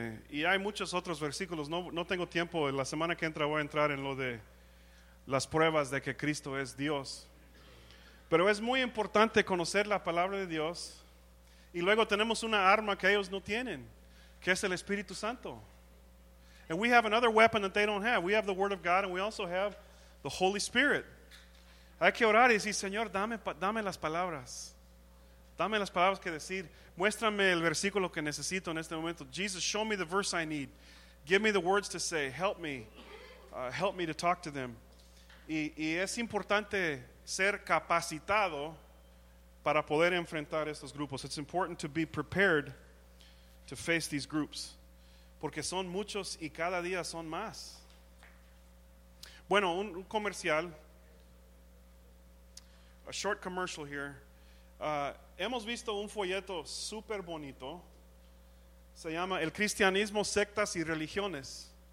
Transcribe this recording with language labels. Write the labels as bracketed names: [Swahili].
[Spanish] Y hay muchos otros versículos. No tengo tiempo. La semana que entra voy a entrar en lo de las pruebas de que Cristo es Dios. Pero es muy importante conocer la palabra de Dios. Y luego tenemos una arma que ellos no tienen, que es el Espíritu Santo. [English] And we have another weapon that they don't have. We have the Word of God, and we also have the Holy Spirit. [Spanish] Hay que orar y decir, Señor, dame las palabras. Dame las palabras que decir. Muéstrame el versículo que necesito en este momento. [English] Jesus, show me the verse I need. Give me the words to say. Help me. Help me to talk to them. [Spanish] Y es importante ser capacitado para poder enfrentar estos grupos. [English] It's important to be prepared to face these groups. [Spanish] Porque son muchos y cada día son más. Bueno, un comercial. [English] A short commercial here. [Spanish] Hemos visto un folleto super bonito. Se llama El Cristianismo, Sectas y Religiones.